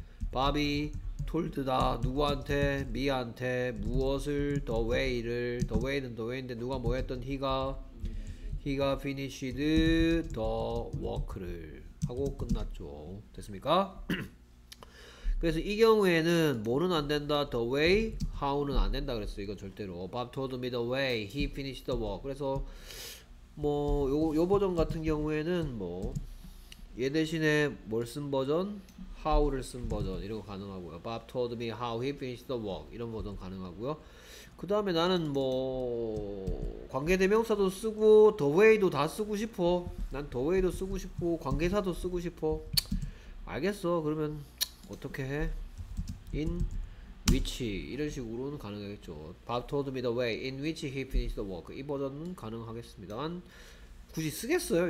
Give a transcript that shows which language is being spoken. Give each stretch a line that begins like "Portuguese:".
Korean: 밥이 톨드다. 누구한테? 미한테. 무엇을? The way를. The way는 the way인데 누가 뭐 했던? He가 finished the work를 하고 끝났죠. 됐습니까? 그래서 이 경우에는 뭐는 안 된다. The way, how는 안 된다 그랬어. 이건 절대로.
English: Bob told me the way he finished the work.
Korean: 그래서 뭐요 버전 같은 경우에는 뭐얘 대신에 뭘쓴 버전? How를 쓴 버전 이런 거 가능하고요.
English: Bob told me how he finished the work
Korean: 이런 버전 가능하고요. 그 다음에 나는 뭐 관계대명사도 쓰고 the way도 다 쓰고 싶어. 난 the way도 쓰고 싶고 관계사도 쓰고 싶어. 알겠어. 그러면 어떻게 해? In which 이런 식으로는 가능하겠죠.
English: Bob told me the way in which he finished the work.
Korean: 이 버전은 가능하겠습니다만 굳이 쓰겠어요?